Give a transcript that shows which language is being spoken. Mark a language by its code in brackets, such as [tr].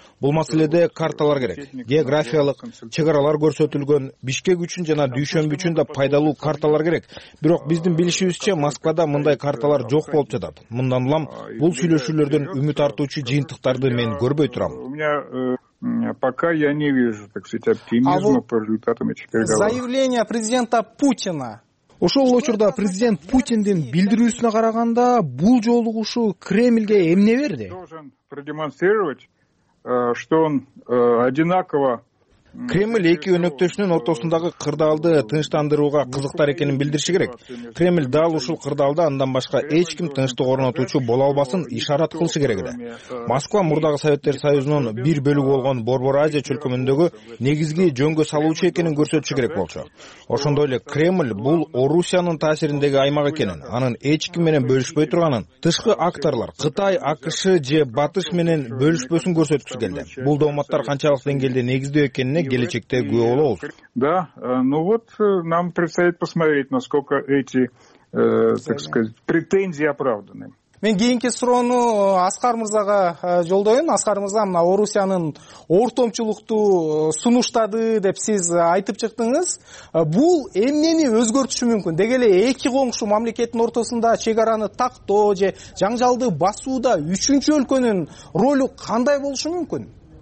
[ky] Бул маселеде карталар керек. Географиялык чек аралар көрсөтүлгөн, Бишкек үчүн жана Дүйшөмбү үчүн да пайдалуу карталар керек. Бирок биздин билишибизче Москвада мындай карталар жок болуп жатат. Мындан улам бул сүйлөшүүлөрдөн үмүт артуучу жыйынтыктарды мен көрбөй турам. [ru] Пока я не вижу, так сказать, оптимизма по результатам этих переговоров. Заявление президента Путина. [ky] Ошол учурда президент Путиндин билдирүүсүнө караганда бул жолугушуу Кремльге эмне берди? [ru] Должен продемонстрировать, что он одинаково. [ky] Кремль эки өнөктөшүнүн ортосундагы кырдаалды тынчтандырууга кызыктар экенин билдириши керек. Кремль дал ушул кырдаалда андан башка эч ким тынчтык орнотуучу боло албасын ишарат кылышы керек эле. Москва мурдагы Советтер Союзунун бир бөлүгү болгон Борбор Азия чөлкөмүндөгү негизги жөнгө салуучу экенин көрсөтүшү керек болчу. Ошондой эле Кремль бул Орусиянын таасириндеги аймак экенин, анын эч ким менен бөлүшпөй турганын, тышкы акторлор Кытай, АКШ же Батыш менен бөлүшпөсүн көрсөткүсү келди. Бул дооматтар канчалык деңгээлде негиздүү экенин келечекте күбө болобуз. [ru] Да, ну вот нам предстоит посмотреть, насколько эти, так сказать, претензии оправданы. [ky] Мен кийинки суроону Аскар мырзага жолдойюн. Аскар мырза, мына Орусиянын ортомчулукту сунуштады деп сиз айтып чыктыңыз. Бул эмнени өзгөртүшү мүмкүн? Деги эле эки коңшу мамлекеттин ортосунда чек араны тактоо же жаңжалды басууда үчүнчү өлкөнүн ролу кандай болушу мүмкүн?